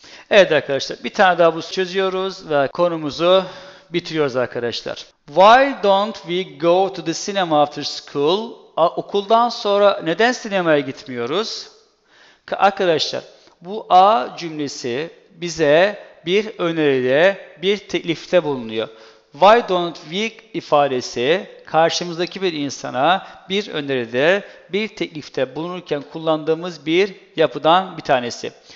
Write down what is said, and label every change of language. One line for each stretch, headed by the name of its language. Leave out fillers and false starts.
Turkish: Evet arkadaşlar bir tane daha bu çözüyoruz ve konumuzu bitiriyoruz arkadaşlar.
English: Why don't we go to the cinema after school?
Turkish: Okuldan sonra neden sinemaya gitmiyoruz? Arkadaşlar bu A cümlesi bize bir öneride, bir teklifte bulunuyor.
English: Why don't we
Turkish: ifadesi karşımızdaki bir insana bir öneride, bir teklifte bulunurken kullandığımız bir yapıdan bir tanesi.